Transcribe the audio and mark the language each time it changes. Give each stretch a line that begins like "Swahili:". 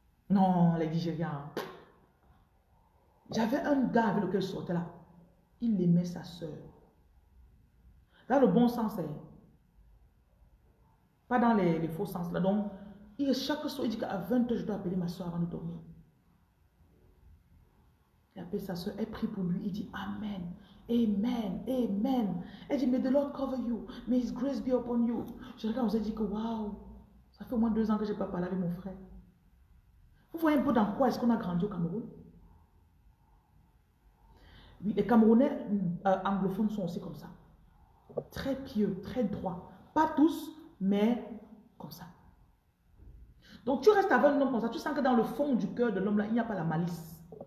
French: Non, les Nigériens. J'avais un gars avec lequel je sortais là. Il aimait sa soeur. Dans le bon sens, hein. Pas dans les faux sens là. Donc, chaque soir, il dit qu'à 20 h, je dois appeler ma soeur avant de dormir. Il appelle sa soeur, elle prie pour lui. Il dit Amen, Amen, Amen.
English: Elle dit May the Lord cover you, may His grace be upon you.
French: Je regarde, j'ai dit que waouh, ça fait au moins 2 ans que je n'ai pas parlé avec mon frère. Vous voyez un peu dans quoi est-ce qu'on a grandi au Cameroun? Oui, les Camerounais anglophones sont aussi comme ça. Très pieux, très droit. Pas tous, mais comme ça. Donc tu restes avec un homme comme ça, tu sens que dans le fond du cœur de l'homme là, il n'y a pas la malice.